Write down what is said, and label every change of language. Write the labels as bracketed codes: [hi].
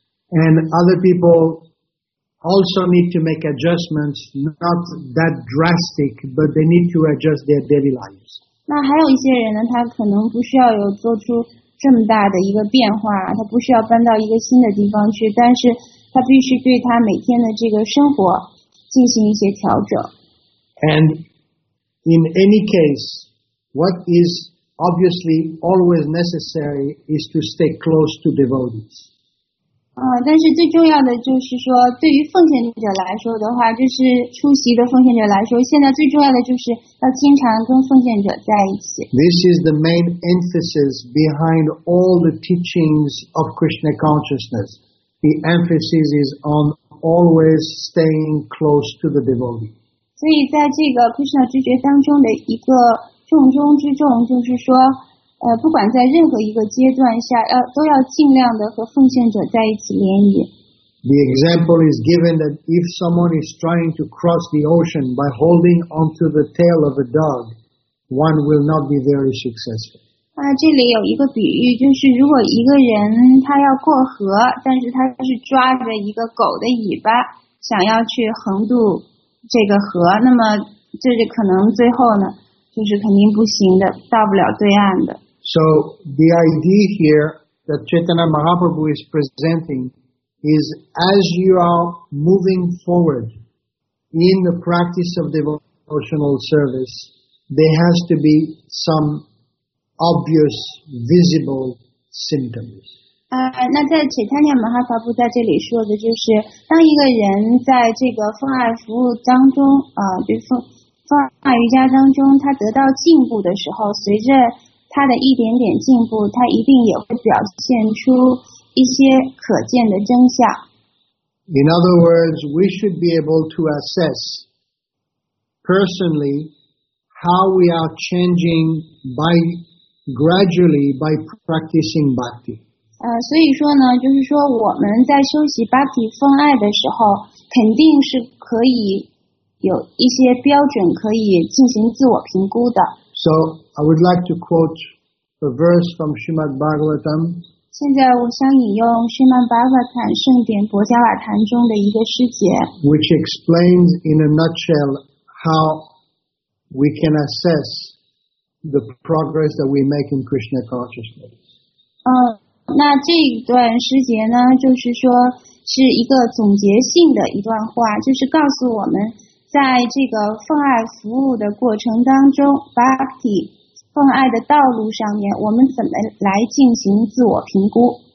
[en] And other people also need to make adjustments, not that drastic, but they need to adjust their daily lives. [zh] 那还有一些人呢，他可能不需要有做出这么大的一个变化，他不需要搬到一个新的地方去，但是他必须对他每天的这个生活进行一些调整。 [en] And in any case,What is obviously always necessary is to stay close to devotees. [zh] 但是最重要的就是说，对于奉献者来说的话，就是出席的奉献者来说，现在最重要的就是要经常跟奉献者在一起。 [en] This is the main emphasis behind all the teachings of Krishna consciousness. The emphasis is on always staying close to the devotee. [zh] 所以在这个 Krishna 知觉当中的一个重中之重就是说不管在任何一个阶段下都要尽量的和奉献者在一起联谊。 [en] The example is given that if someone is trying to cross the ocean by holding onto the tail of a dog, one will not be very successful. [zh] 这里有一个比喻，就是如果一个人他要过河，但是他是抓着一个狗的尾巴想要去横渡这个河，那么这就可能最后呢就是肯定不行的，到不了对岸的。 [en] So the idea here that Chaitanya Mahaprabhu is presenting is as you are moving forward in the practice of devotional service, there has to be some obvious visible symptoms. [zh] 那在 Chaitanya Mahaprabhu 在这里说的就是，当一个人在这个奉爱服务当中，比如说放在瑜伽当中他得到进步的时候，随着他的一点点进步，他一定也会表现出一些可见的征象。 [en] In other words, we should be able to assess personally how we are changing gradually by practicing bhakti. [zh] 所以说呢，就是说我们在修习 bhakti 奉爱的时候，肯定是可以有一些标准可以进行自我评估的。 [en] So, I would like to quote a verse from Srimad Bhagavatam. [zh] 现在我想引用 Srimad Bhagavatam 圣典博伽瓦坛中的一个诗节。 [en] Which explains in a nutshell how we can assess the progress that we make in Krishna consciousness. [zh] 那这一段诗节呢，就是说是一个总结性的一段话，就是告诉我们在这个奉爱服务的过程当中 ，bhakti 奉爱的道路上面，我们怎么来进行自我评估